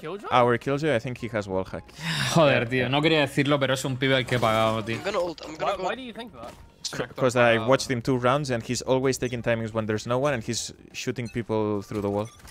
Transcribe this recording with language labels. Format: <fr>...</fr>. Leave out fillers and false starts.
<en>Our killjoy, I think he has wall hack.</en> <es>Joder, tío, no quería decirlo, pero es un pibe al que he pagado, tío.</es> <en>Why do you think that? Because I watched him two rounds and he's always taking timings when there's no one and he's shooting people through the wall.</en>